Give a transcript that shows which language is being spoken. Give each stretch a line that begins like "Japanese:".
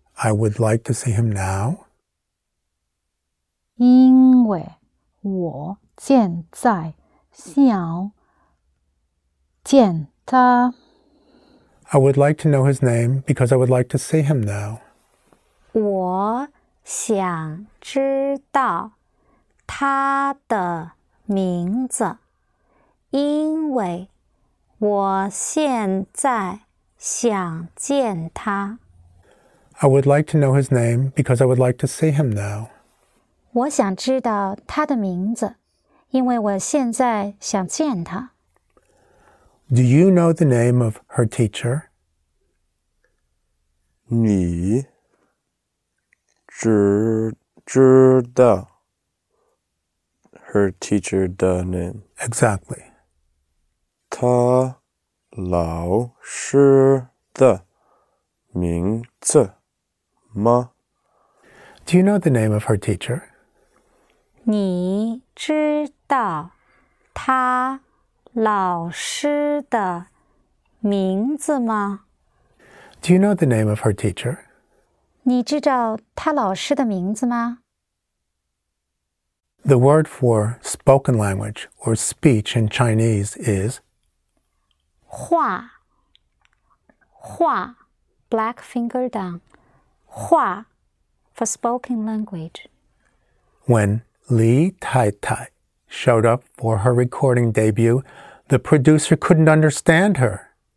English: I would like to see him now.
Chinese: 因为我现在
English: I would like to know his name because I would like to see him now.
Chinese: 我想知道他的名字，因为我现在想见他。
English: I would like to know his name because I would like to see him now.
Chinese: 我想知道他的名字。因为我现在想见她.
English: Do you know the name of her teacher?
Chinese: 你知道
English: her teacher
Chinese: 的
English: name. Exactly.
Chinese: 她老师的名字吗?
English: Do you know the name of her teacher?
Chinese: 你知道她老师的名字吗?
English: Do you know the name of her teacher?
Chinese: 你知道她老师的名字吗?
English: The word for spoken language or speech in Chinese is 话话 black finger down 话 for spoken language. When Li Tai Tai showed up for her recording debut, the producer couldn't understand her.